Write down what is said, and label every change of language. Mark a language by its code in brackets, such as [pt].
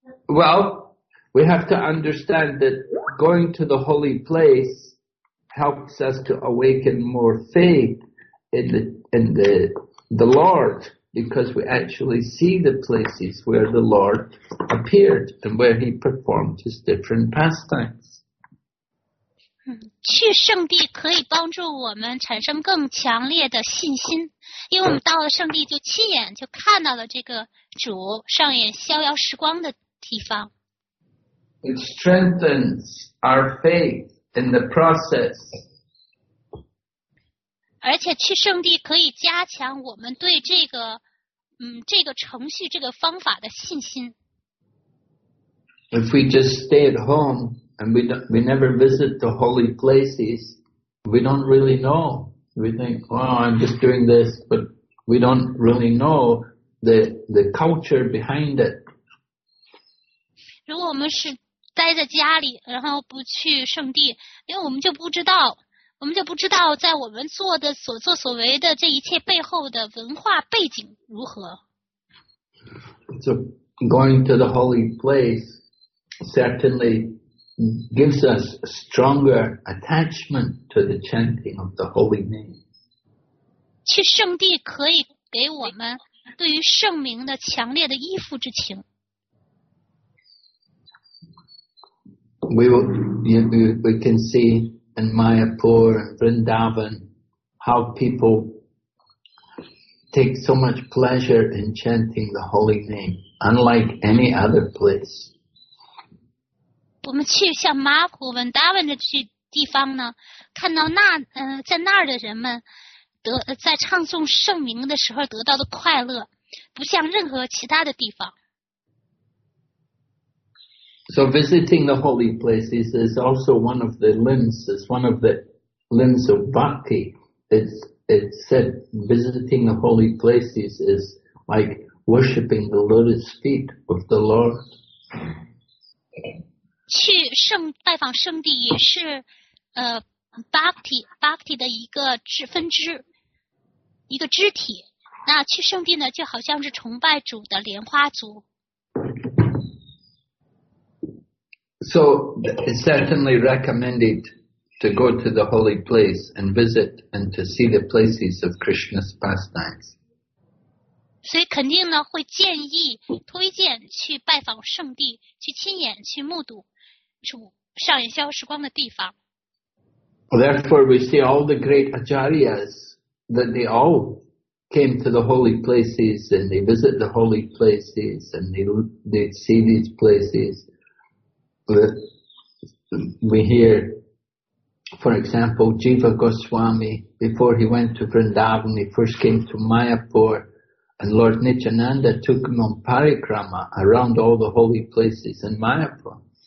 [en] Well, we have to understand that going to the holy place helps us to awaken more faith in the Lord, because we actually see the places where the Lord appeared and where he performed his different pastimes. [zh] 去圣地可以帮助我们产生更强烈的信心，因为我们到了圣地就亲眼就看到了这个主上演逍遥时光的地方。 [en] It strengthens our faith in the process. [zh] 而且去圣地可以加强我们对这个这个程序这个方法的信心。 [en] If we just stay at home and we never visit the holy places, we don't really know. We think, well, I'm just doing this, but we don't really know the culture behind it. [zh] 如果我们是待在家里，然后不去圣地，因为我们就不知道，我们就不知道在我们做的所作所为的这一切背后的文化背景如何。 [en] So going to the holy place certainly gives us stronger attachment to the chanting of the holy name. [zh] 去圣地可以给我们对于圣名的强烈的依附之情。 [en] We can see in Mayapur and Vrindavan how people take so much pleasure in chanting the holy name, unlike any other place. [zh] 我们去像马普、文达文的这地方呢，看到那在那儿的人们在唱诵圣名的时候得到的快乐，不像任何其他的地方。 [en] So visiting the holy places is also one of the limbs, it's one of the limbs of bhakti. It's said visiting the holy places is like worshipping the lotus feet of the Lord. [zh] 去拜访圣地也是bhakti 的一个分支，一个肢体。那去圣地呢，就好像是崇拜主的莲花足。 [en] So it's certainly recommended to go to the holy place and visit and to see the places of Krishna's pastimes. [zh] 所以肯定呢会建议推荐去拜访圣地，去亲眼去目睹主上演逍遥时光的地方。 [en] Therefore, we see all the great acharyas that they all came to the holy places and they visit the holy places and they see these places. We hear, for example, Jiva Goswami, before he went to Vrindavan, he first came to Mayapur, and Lord Nityananda took him on parikrama around all the holy places in Mayapur.